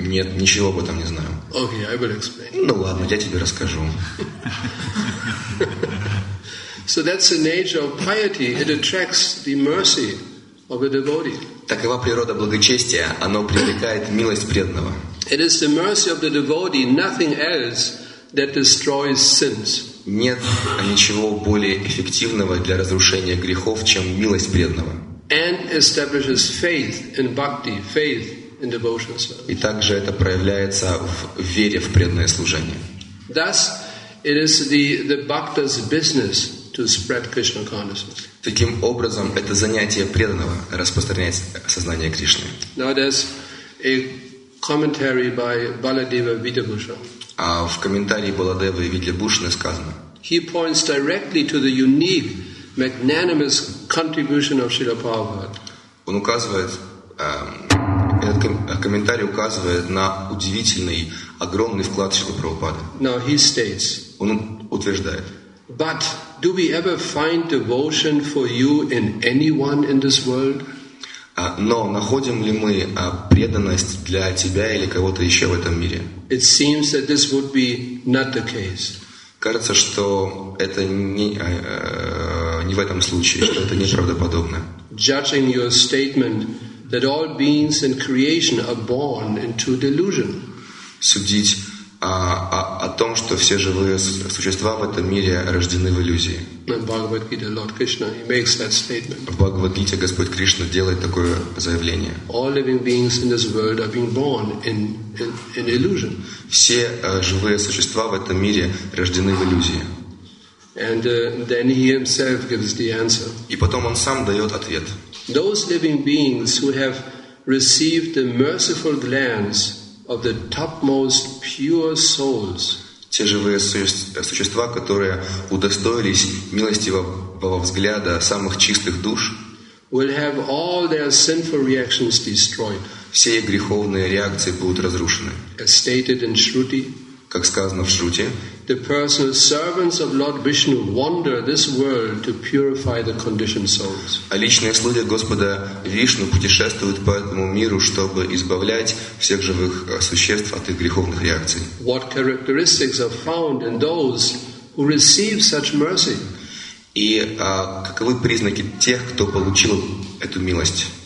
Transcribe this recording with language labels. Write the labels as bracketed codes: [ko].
[ru] Нет, ничего об этом не знаю. [en] Okay, I will explain. [ru] Ну ладно, я тебе расскажу. [en] So that's the nature of piety. It attracts the mercy of a devotee. [ru] Такова природа благочестия. Оно привлекает милость преданного. [en] It is the mercy of the devotee, nothing else, that destroys sins. [ru] Нет ничего более эффективного для разрушения грехов, чем милость преданного. [en] And establishes faith in bhakti, faith in devotional service. [ru] И также это проявляется в вере в преданное служение. [en] Thus, it is the bhakta's business to spread Krishna consciousness. [ru] Таким образом, это занятие преданного распространять сознание Кришны. [en] Now there's a commentary by Baladeva Vidyabhushan. [ru] А в комментарии Баладевы Видьябушны сказано. [en] He points directly to the unique, magnanimous contribution of Srila Prabhupada. [ru] Он указывает, этот комментарий указывает на удивительный, огромный вклад Шрилы Прабхупады. [en] Now he states. [ru] Он утверждает. [en] But do we ever find devotion for you in anyone in this world? [ru] Но находим ли мы преданность для тебя или кого-то еще в этом мире? [en] It seems that this would be not the case. [ru] Кажется, что это не в этом случае, что это неправдоподобно. [en] Judging your statement that all beings in creation are born into delusion. [ru] Судить о том, что все живые существа в этом мире рождены в иллюзии. [en] Bhagavad-gita, Lord Krishna, he makes that statement. [ru] В Бхагавад-гите Господь Кришна делает такое заявление. [en] All living beings in this world are being born in illusion. [ru] Все живые существа в этом мире рождены в иллюзии. [en] And then he himself gives the answer. [ru] И потом он сам дает ответ. [en] Those living beings who have received the merciful glance of the topmost pure souls. [ru] Те живые существа, которые удостоились милостивого взгляда самых чистых душ, [en] will have all their sinful reactions destroyed. [ru] Все их греховные реакции будут разрушены. [en] As stated in Shruti, [ru] как сказано в Шруте, [en] the personal servants of Lord Vishnu wander this world to purify the conditioned souls. [ru] А личные слуги Господа Вишну путешествуют по этому миру, чтобы избавлять всех живых существ от их греховных реакций. [en] What characteristics are found in those who receive such mercy? [ru] И каковы признаки тех, кто получил эту милость?